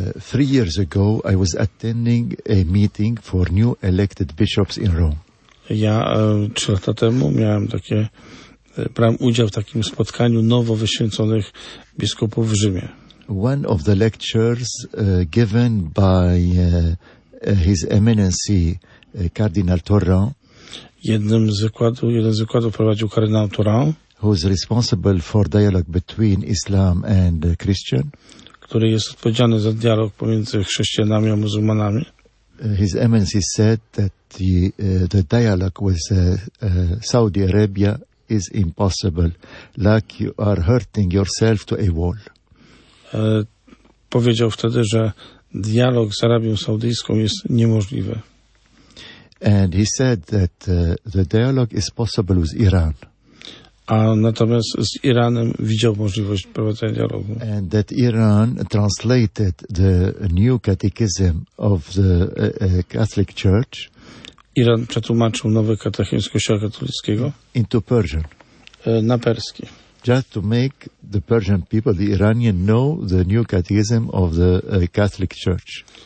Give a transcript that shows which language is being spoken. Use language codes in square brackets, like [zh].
[en] Three years ago I was attending a meeting for new elected bishops in Rome. [pl] Ja 3 lata temu miałem takie brałem udział w takim spotkaniu nowo wyświęconych biskupów w Rzymie. [en] One of the lectures given by His Eminency Cardinal Turan. [pl] Jeden z wykładów prowadził kardynał Turan, [en] who is responsible for dialogue between Islam and Christian. [pl] Który jest odpowiedzialny za dialog pomiędzy chrześcijanami a muzułmanami. [en] His Eminency said that the dialogue with Saudi Arabia is impossible, like you are hurting yourself to a wall. [pl] Powiedział wtedy, że dialog z Arabią Saudyjską jest niemożliwy. [en] And he said that the dialogue is possible with Iran. [pl] A natomiast z Iranem widział możliwość prowadzenia dialogu. [en] And that Iran translated the new catechism of the Catholic Church. [pl] Iran przetłumaczył nowy katechizm Kościoła katolickiego [en] into Persian. [pl] Na perski. [en] Just to make the Persian people, the Iranian, know the new catechism of the Catholic Church.